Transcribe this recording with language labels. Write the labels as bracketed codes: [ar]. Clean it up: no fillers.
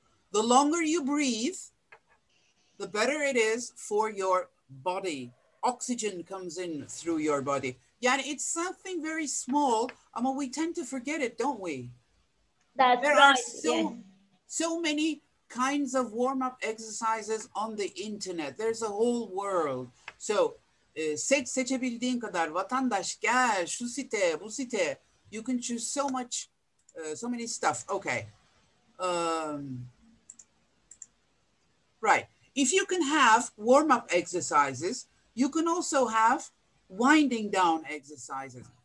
[en] The longer you breathe, the better it is for your body. Oxygen comes in through your body. [tr] Yani [en] it's something very small, [tr] ama [en] we tend to forget it, don't we? There are so many kinds of warm-up exercises on the internet. There's a whole world. [tr] So, seçebildiğin kadar, vatandaş gel, şu site, bu site. [en] You can choose so much, so many stuff. Okay. Right. If you can have warm-up exercises, you can also have winding down exercises.